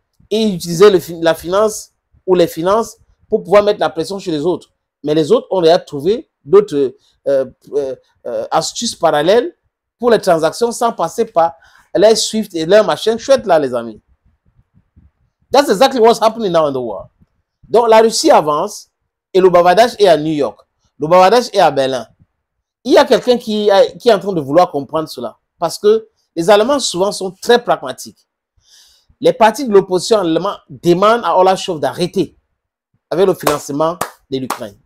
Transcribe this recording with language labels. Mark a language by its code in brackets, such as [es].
[fr] Et ils utilisaient la finance ou les finances pour pouvoir mettre la pression sur les autres. Mais les autres ont déjà trouvé d'autres astuces parallèles pour les transactions sans passer par les Swift et leur machin chouette là, les amis. [en] That's exactly what's happening now in the world. [fr] Donc, la Russie avance et le bavardage est à New York. Le bavardage est à Berlin. Il y a quelqu'un qui est en train de vouloir comprendre cela. Parce que les Allemands souvent sont très pragmatiques. Les partis de l'opposition allemande demandent à Olaf Scholz d'arrêter avec le financement de l'Ukraine.